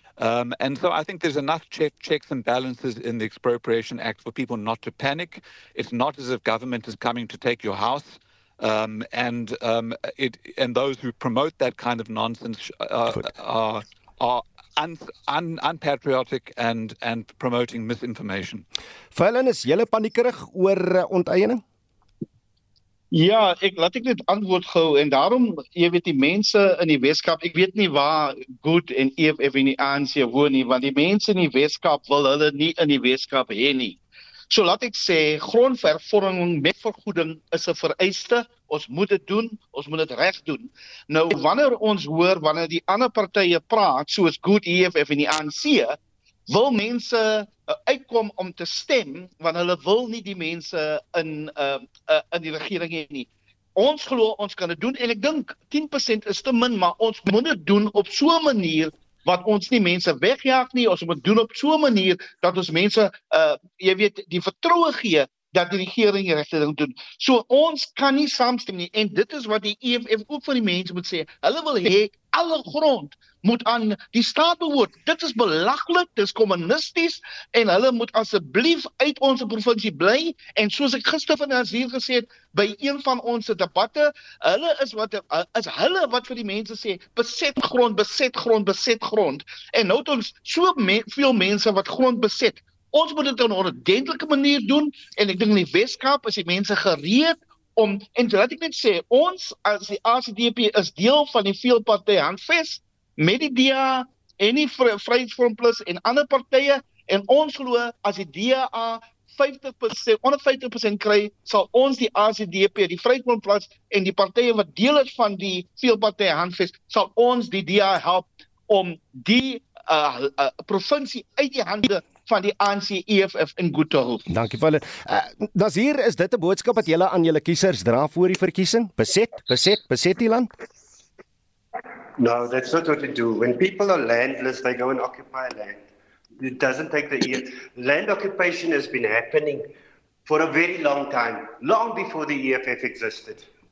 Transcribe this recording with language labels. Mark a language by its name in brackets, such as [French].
[English] And so I think there's enough checks and balances in the Expropriation Act for people not to panic. It's not as if government is coming to take your house. And those who promote that kind of nonsense are unpatriotic and promoting misinformation. [Afrikaans] Fallen is jy paniekerig oor onteiening? Ja, laat ek net antwoord gou en daarom, jy weet die mense in die Weskaap, ek weet nie waar Good en EFF in die ANC woon nie, want die mense in die Weskaap wil hulle nie in die Weskaap hê nie. So laat ek sê, grondhervorming met vergoeding is 'n vereiste, ons moet dit doen, ons moet dit reg doen. Nou, wanneer ons hoor, wanneer die ander partye praat, soos Good, EFF en die ANC, wil mense uitkom om te stem, want hulle wil nie die mense in die regering hê nie. Ons glo ons kan dit doen en ek dink 10% is te min, maar ons moet dit doen op so 'n manier wat ons nie mense wegjaag nie, ons moet doen op so 'n manier dat ons mense jy weet die vertroue gee dat die regering die regte ding doen. So ons kan nie saamstem nie en dit is wat die EFF ook vir die mense moet sê. Hulle wil hê alle grond moet aan die staat behoort. Dit is belaglik, dit is kommunisties en hulle moet asseblief uit ons provinsie bly en soos ek gister van Nasir gesê het by een van ons debatte, hulle is wat is hulle wat vir die mense sê beset grond, beset grond, beset grond en nou het ons so veel mense wat grond beset. Ons moet dit op 'n ordentlike manier doen en ek dink in die Weskaap is die mense gereed om en laat ek net sê ons as die ACDP is deel van die veelpartytjie handves met die DA en die Vryheidsfront Plus en ander partye en ons glo as die DA 50% onder 50% kry sal ons die ACDP die Vryheidsfront Plus en die partye wat deel is van die veelpartytjie handves sal ons die DA help om die provinsie uit die hande van die ANC EFF in Goedehul. Dankie vir dat hier is dit 'n boodskap wat julle aan julle kiesers dra voor die verkiesing. Beset, beset, beset die land. [English] No, that's not what we do. When people are landless, they go and occupy land. It doesn't take the EFF. Land occupation has been happening for a very long time, long before the EFF existed.